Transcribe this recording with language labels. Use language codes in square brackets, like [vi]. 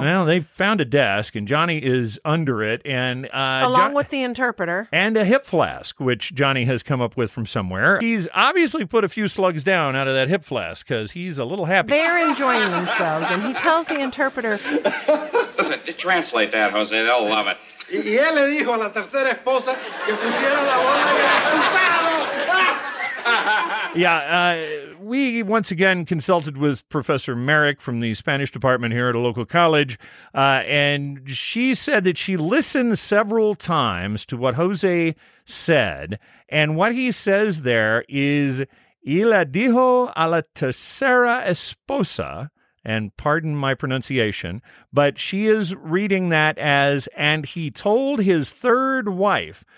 [en] Well, they found a desk and Johnny is under it. Along with the interpreter. And a hip flask, which Johnny has come up with from somewhere. He's obviously put a few slugs down out of that hip flask because he's a little happy. They're enjoying themselves and he tells the interpreter. Listen, translate that, Jose. They'll love it. [es] Y él le dijo a la tercera esposa que pusiera la bola en el cruzado. [en] Yeah, we once again consulted with Professor Merrick from the Spanish department here at a local college, and she said that she listened several times to what Jose said, and what he says there is, [es] y le dijo a la tercera esposa, [en] and pardon my pronunciation, but she is reading that as, and he told his third wife.